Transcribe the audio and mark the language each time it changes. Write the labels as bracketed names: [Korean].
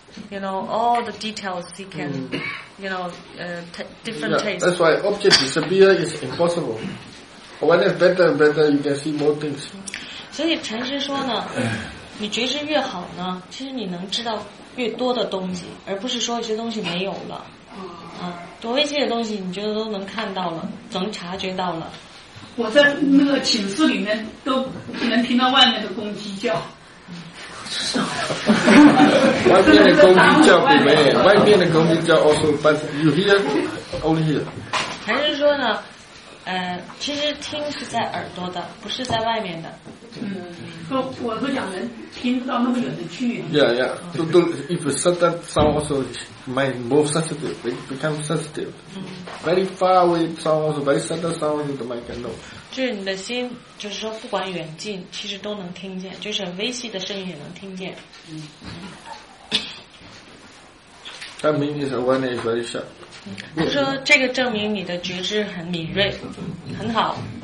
[English] You know, all the details he can, you know, different tastes. That's why object disappear is impossible. When it's better and better, you can see more things. [Chinese] 所以禅师说呢，你觉知越好呢，其实你能知道越多的东西，而不是说一些东西没有了。多一些的东西你觉得都能看到了，能察觉到了。我在那个寝室里面都能听到外面的公鸡叫。外面的公鸡叫比没有，外面的公鸡叫 [English] also but you hear only here。 [Chinese] 还是说呢，其实听是在耳朵的，不是在外面的。说我都讲人听到那么远的距离。 [English] Yeah. If sudden sound also, my more sensitive, they become sensitive. Very far away sound also, very sudden sound, you might get no. [Chinese] 就是你的心，就是说不管远近，其实都能听见，就是很微细的声音也能听见。 [English] That means one is very sharp. [Chinese] 他说这个证明你的觉知很敏锐，很好。